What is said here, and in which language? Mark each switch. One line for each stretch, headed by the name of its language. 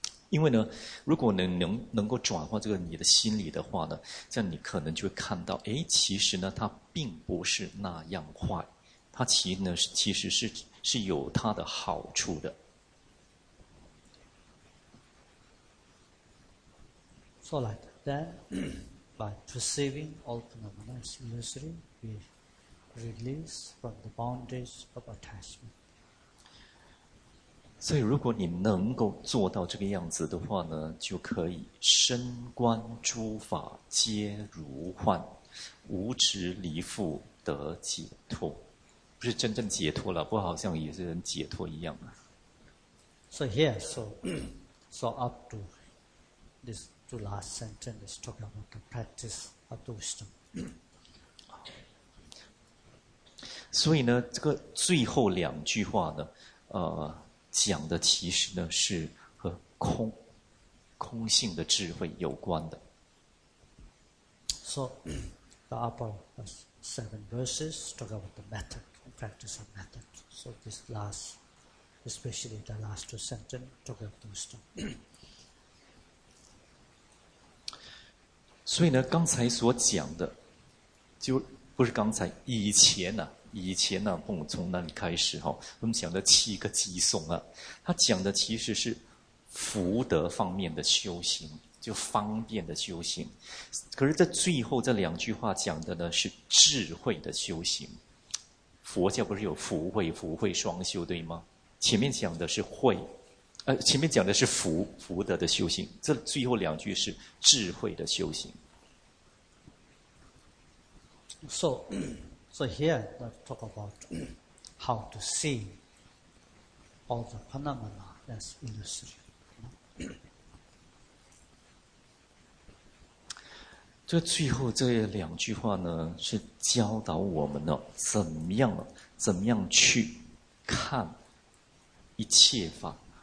Chinese: 因为呢，如果能够转换这个你的心理的话呢，这样你可能就会看到，诶，其实呢它并不是那样坏，它其实是有它的好处的。
English: So like that, by perceiving all phenomena as illusory, we release from the boundaries of attachment.
Chinese: 所以，如果你能够做到这个样子的话呢，就可以身观诸法皆如幻，无执离缚得解脱。不是真正解脱了，不好像也是人解脱一样啊。
English: So here, so up to this. The last sentence is talking about the practice of the wisdom.
Chinese: 所以呢，这个最后两句话呢，讲的其实呢是和空性的智慧有关的。
English: So the upper seven verses talk about the method, the practice of method. So this last, especially the last two sentences, talk about the wisdom.
Chinese: 所以呢，刚才所讲的，就不是刚才，以前啊，以前呢、啊，我们从那里开始哈、哦，我们讲的七个基颂啊，他讲的其实是福德方面的修行，就方便的修行。可是，在最后这两句话讲的呢，是智慧的修行。佛教不是有福慧、福慧双修对吗？前面讲的是慧。前面讲的是福德的修行，这最后两句是智慧的修行。
English: So here let's talk about how to see all the phenomena as illusory.
Chinese: 这最后这两句话呢，是教导我们呢，怎么样去看一切法。